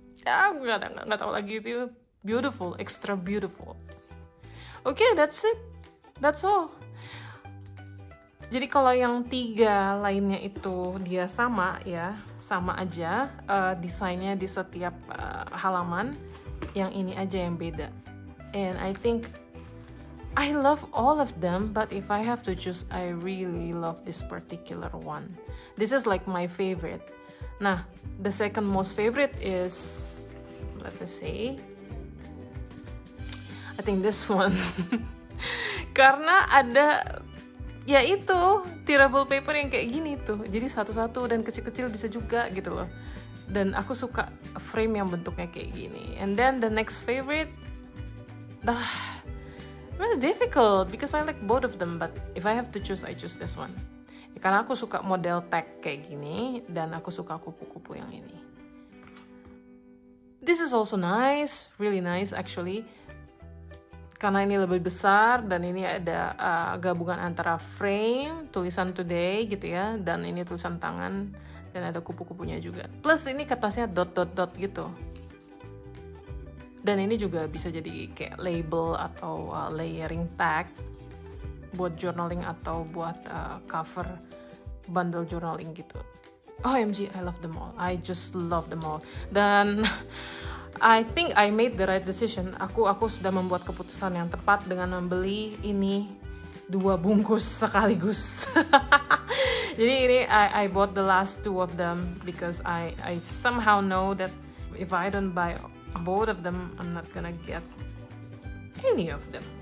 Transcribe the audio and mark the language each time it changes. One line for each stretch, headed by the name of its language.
Indonesian: aku gak tau lagi, itu
English: beautiful, extra beautiful. Okay, that's it. That's all.
Indonesian: Jadi kalau yang tiga lainnya itu dia sama ya, sama aja desainnya di setiap halaman. Yang ini aja yang beda.
English: And I think I love all of them, but if I have to choose, I really love this particular one. This is like my favorite. Nah, the second most favorite is, let me see, I think this one.
Indonesian: Karena ada, ya itu, tearable paper yang kayak gini tuh. Jadi satu-satu dan kecil-kecil bisa juga gitu loh. Dan aku suka frame yang bentuknya kayak gini.
English: And then the next favorite, dah, really difficult because I like both of them, but if I have to choose, I choose this one.
Indonesian: Ya, karena aku suka model tag kayak gini dan aku suka kupu-kupu yang ini.
English: This is also nice, really nice actually.
Indonesian: Karena ini lebih besar dan ini ada gabungan antara frame, tulisan today gitu ya, dan ini tulisan tangan. Dan ada kupu-kupunya juga. Plus ini kertasnya dot-dot-dot gitu. Dan ini juga bisa jadi kayak label atau layering tag. Buat journaling atau buat cover bundle journaling gitu.
English: OMG, I love them all. I just love them all.
Indonesian: Dan
English: I think I made the right decision.
Indonesian: Aku sudah membuat keputusan yang tepat dengan membeli ini dua bungkus sekaligus. Jadi ini
English: I bought the last two of them because I somehow know that if I don't buy both of them, I'm not gonna get any of them.